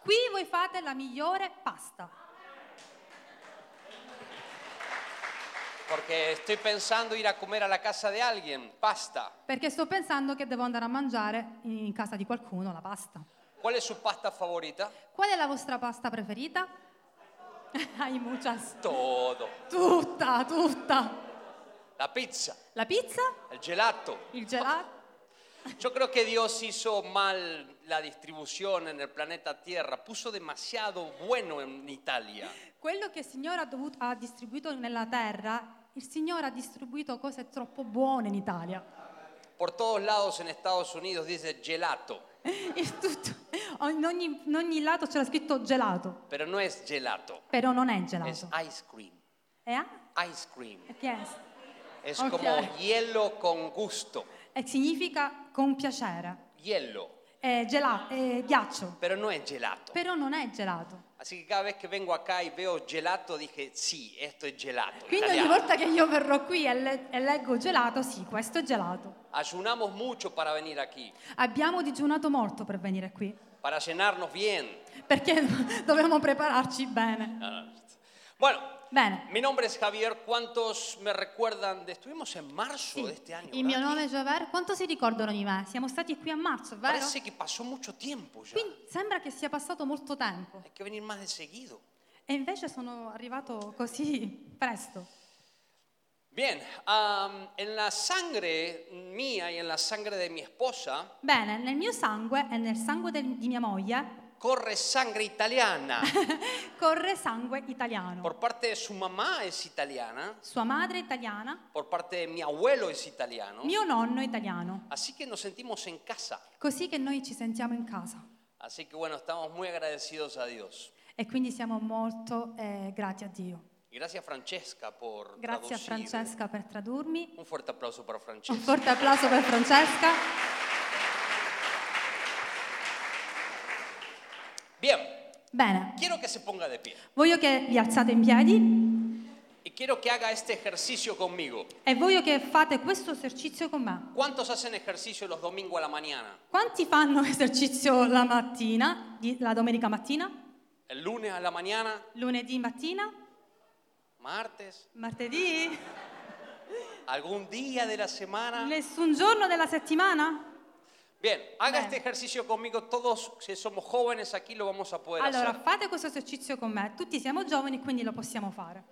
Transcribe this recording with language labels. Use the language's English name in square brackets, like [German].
[Italian] Qui voi fate la migliore pasta. [Spanish] Porque estoy pensando ir a comer a la casa de alguien, pasta. [Italian] Perché sto pensando che devo andare a mangiare in casa di qualcuno la pasta. [Spanish] ¿Cuál es su pasta favorita? [Italian] Qual è la vostra pasta preferita? [Spanish] Hay muchas. Todo. [Italian] Tutta, tutta. La pizza. La pizza? [Spanish] El gelato. [Italian] Il gelato. [Spanish] Yo creo que Dios hizo mal la distribución en el planeta Tierra, puso demasiado bueno en Italia. [Italian] Quello che il Signore ha distribuito nella terra, il Signore ha distribuito cose troppo buone in Italia. [Spanish] Por todos lados en Estados Unidos dice gelato. [Italian] In tutto, in ogni lato c'era scritto gelato. [Spanish] Pero no es gelato. [Italian] Però non è gelato. [Spanish] Es ice cream. [English] Yeah? Ice cream. Yes. [Spanish] Es okay. Como hielo con gusto. [Italian] E significa con piacere. [Spanish] Hielo. [Italian] Ghiaccio. [Spanish] Pero no es gelato. [Italian] Però non è gelato. [Spanish] Así que cada vez que vengo acá y veo gelato, dije, sí, esto es gelato. [Italian] Quindi ogni volta che io verrò qui e leggo gelato, sí, questo è gelato. [Spanish] Ayunamos mucho para venir aquí. [Italian] Abbiamo digiunato molto per venire qui. [Spanish] Para cenarnos bien. [Italian] Perché dobbiamo prepararci bene. [Spanish] Bueno. [Italian] Bene. [Spanish] Mi nombre es Javier. ¿Cuántos me recuerdan? Estuvimos en marzo sí. De este año. [Italian] Il mio nome è Javier. Quanto si ricordano di me? Siamo stati qui a marzo, vero? [Spanish] Parece que pasó mucho tiempo ya. [Italian] Quindi sembra che sia passato molto tempo. [Spanish] Hay que venir más de seguido. [Italian] E invece sono arrivato così presto. [Spanish] Bien, en la sangre mía y en la sangre de mi esposa. [Italian] Bene, nel mio sangue e nel sangue di mia moglie. [Spanish] Corre sangre italiana. [Italian] Corre sangue italiano. [Spanish] Por parte de su mamá es italiana. [Italian] Sua madre italiana. [Spanish] Por parte de mi abuelo es italiano. [Italian] Mio nonno italiano. [Spanish] Así que nos sentimos en casa. [Italian] Così che noi ci sentiamo in casa. [Spanish] Así que bueno, estamos muy agradecidos a Dios. [Italian] E quindi siamo molto grati a Dio. [Spanish] Gracias Francesca por traducir. [Italian] Grazie a Francesca per tradurmi. [Spanish] Un fuerte aplauso para Francesca. [Italian] Un forte applauso per Francesca. [Spanish] Bien. [Italian] Bene. [Spanish] Quiero que se ponga de pie. [Italian] Voglio che vi alzate in piedi. [Spanish] Y quiero que haga este ejercicio conmigo. [Italian] E voglio che fate questo esercizio con me. [Spanish] ¿Cuántos hacen ejercicio los domingos a la mañana? [Italian] Quanti fanno esercizio la mattina, la domenica mattina? [Spanish] El lunes a la mañana. [Italian] Lunedì mattina. [Spanish] Martes. [Italian] Martedì. [Spanish] Algún día de la semana. [Italian] Nessun giorno della settimana. [Spanish] Bien, haga este ejercicio conmigo todos, si somos jóvenes aquí lo vamos a poder [Italian] allora, [Spanish] hacer. [Italian] Allora, fate questo esercizio con me. Tutti siamo giovani, quindi lo possiamo fare.